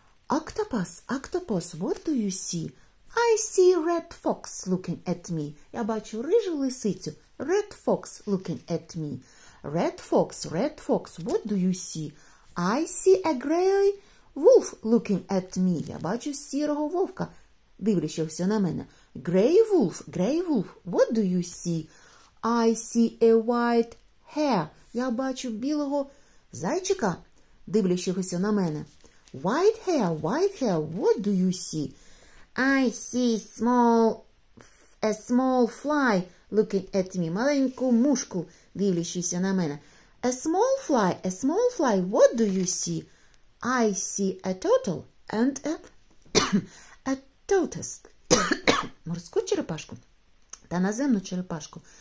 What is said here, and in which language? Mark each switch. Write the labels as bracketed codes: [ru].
[en] Octopus, octopus, what do you see? I see red fox looking at me. [uk] Я бачу рижу лисицю. [en] Red fox looking at me. Red fox, what do you see? I see a gray wolf looking at me. [uk] Я бачу сірого вовка, дивлячись на мене. [en] Gray wolf, what do you see? I see a white hare. [uk] Я бачу білого зайчика, дивлячись на мене. [en] White hair, what do you see? I see a small fly looking at me. [uk] Маленьку мушку, дивлячись на мене. [en] A small fly, what do you see? I see a turtle and a tortoise. [uk] Морську черепашку та наземну черепашку.